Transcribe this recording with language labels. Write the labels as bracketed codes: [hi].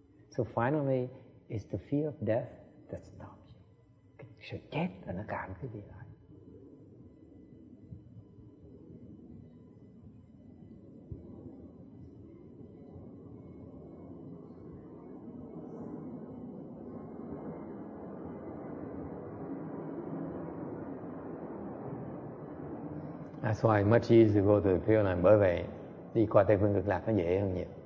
[en] So finally, it's the fear of death that stops. [vi] Sự chết là nó cản cái gì lại. [en] That's why it's much easier to go to the pure land. [vi] Bởi vậy, đi qua Tây Phương Cực Lạc nó dễ hơn nhiều.